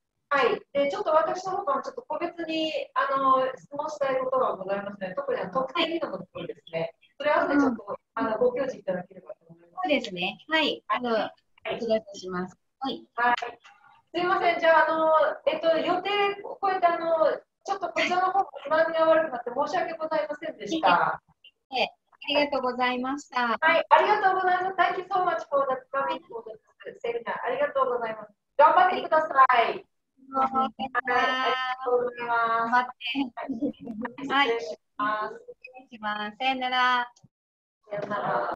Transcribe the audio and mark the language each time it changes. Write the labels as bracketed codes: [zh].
[ja] はい、でちょっと私の方からちょっと個別に質問したいことがございますので、特に特定技能のところですね、それは後でちょっと、ご教示いただければと思います。そうですね、はい、はい、お願いします。はい、はい、すみません、じゃあ、予定を超えて、ちょっとこちらの方が不満が悪くなって申し訳ございませんでした。ありがとうございました。はい、ありがとうございます。 [en] Thank you so much for the coming to the seminar. [ja] ありがとうございます。頑張ってください。はい、失礼します。さよなら。